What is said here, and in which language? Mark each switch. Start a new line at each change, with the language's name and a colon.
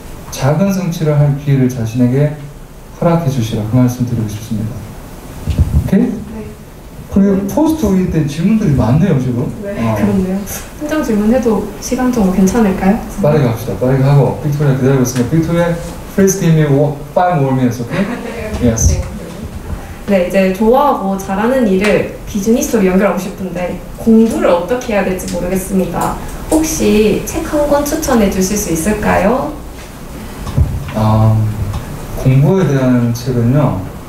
Korean: 작은 성취를 할 기회를 자신에게 허락해 주시라. 그 말씀 드리고 싶습니다. 오케이? 그리고 포스트 오일 때 질문들이 많네요, 지금. 네, 그렇네요. 한 장 질문해도 시간 정도 괜찮을까요? 빠르게 갑시다. 빠르게 하고 빅토리아 기다리고 있습니다.
English: 빅토리아, please give me 5 more minutes, okay?
Korean: 네, yes. 네. 네, 이제 좋아하고 잘하는 일을 비즈니스로 연결하고 싶은데 공부를 어떻게 해야 될지 모르겠습니다. 혹시 책 한 권 추천해 주실 수 있을까요? 공부에 대한 책은요.